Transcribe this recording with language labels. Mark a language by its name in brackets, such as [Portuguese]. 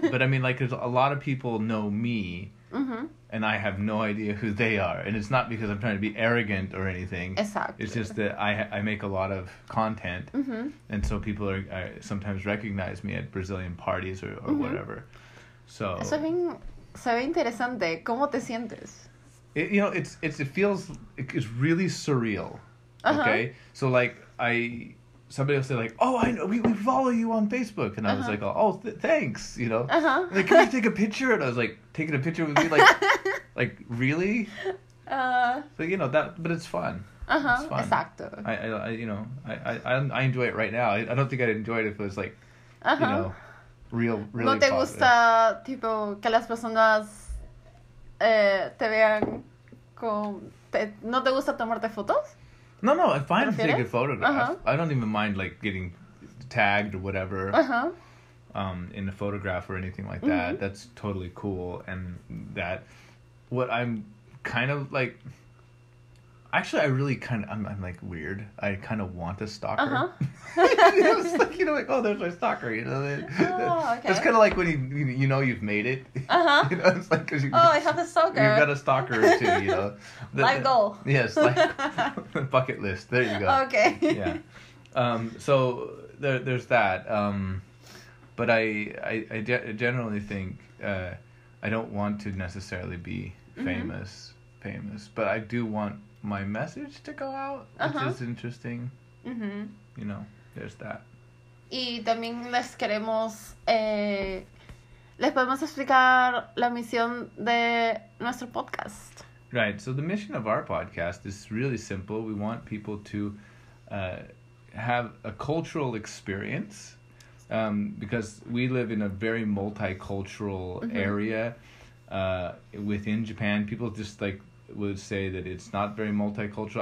[English] But I mean, like, there's a lot of people know me, mm-hmm. and I have no idea who they are. And it's not because I'm trying to be arrogant or anything. Exactly. It's just that I make a lot of content, mm-hmm. and so people are sometimes recognize me at Brazilian parties or mm-hmm. whatever. So... [Spanish] Eso es bien, se ve interesante. ¿Cómo te sientes? [English] It feels really surreal, uh-huh. okay? So, like, somebody will say, like, oh, I know, we follow you on Facebook. And I was like, oh, thanks, you know. Uh-huh. Like, can we take a picture? And I was like, taking a picture with me, like, like, really? So, you know, that, but it's fun. Uh-huh, it's fun. [Spanish] Exacto. [English] I enjoy it right now. I don't think I'd enjoy it if it was, like, uh-huh. you know, real, really [Spanish] No te [English] positive. [Spanish] Gusta, tipo, que las personas te vean con... ¿No te gusta tomarte fotos? [English] No, I'm fine to take a photograph. Uh-huh. I don't even mind, like, getting tagged or whatever uh-huh. In a photograph or anything like that. Mm-hmm. That's totally cool. And that, what I'm kind of, like, Actually, I really kind of, I'm like weird. I kind of want a stalker. Uh-huh. You know, it's like, you know, like, oh, there's my stalker. You know, oh, okay. It's kind of like when you know you've made it. Uh-huh. You know, it's like, because I have a stalker. You've got a stalker too, you know. Life goal. Yes. Like, bucket list. There you go. Okay. Yeah. So there's that. But I generally think I don't want to necessarily be famous. Mm-hmm. Famous, but I do want my message to go out, which is interesting. Mm-hmm. You know, there's that. [Spanish] Y también les queremos, les podemos explicar la misión de nuestro podcast. [English] Right, so the mission of our podcast is really simple. We want people to have a cultural experience because we live in a very multicultural area within Japan. People just like would say that it's not very multicultural.